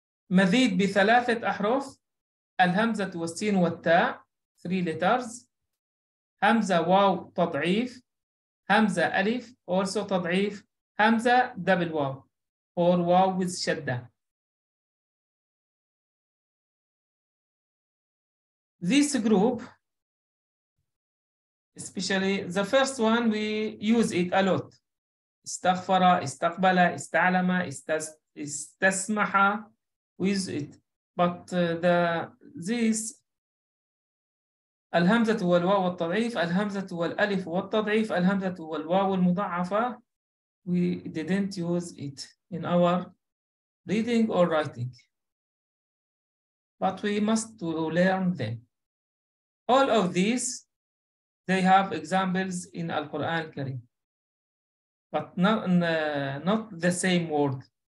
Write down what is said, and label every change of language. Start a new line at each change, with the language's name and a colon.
Arabic: مزيد بثلاثة أحرف، الهمزة والسين والتاء،
English: three letters،
Arabic: همزة واو تضعيف، همزة ألف
English: also
Arabic: تضعيف، همزة دبل واو
English: or
Arabic: واو
English: with
Arabic: شدة.
English: This group, especially the first one, we use it a lot.
Arabic: استغفر، استقبل، استعلم، استسمح.
English: With it, but this
Arabic: الهمزة والواو والتضعيف، الهمزة والألف والتضعيف، الهمزة والواو المضاعفة.
English: We didn't use it in our reading or writing, but we must learn them. All of these, they have examples in Al-Quran Karim, but not the same word.